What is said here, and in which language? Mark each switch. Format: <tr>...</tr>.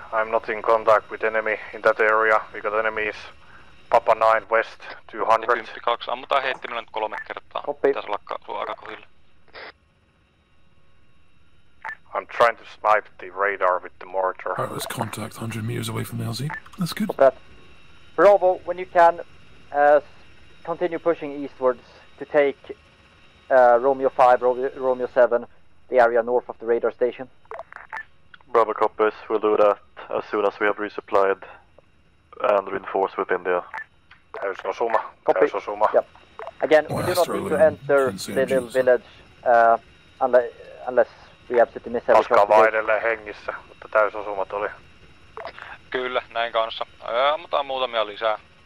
<en>I'm not in contact with enemy in that area. We got enemies Papa 9 West 200.</en> <fi>Ammutaan heittimellä nyt 3 kertaa. Pitäis olla aika kohdilla.</fi> <en>I'm trying to snipe the radar with the mortar. I was contact 100 meters away from the LZ. That's good. Bravo, when you can, continue pushing eastwards to take Romeo 5, Romeo 7, the area north of the radar station. Bravo Coppers, we'll do that as soon as we have resupplied and reinforced within the... Copy. Yep. Again, oh, we do not need to enter the little village unless we absolutely miss every shot.</en> <fi>Oskava edelleen hengissä, mutta täysosumat oli. Kyllä, näin kanssa. Ammutaan muutamia lisää.</fi>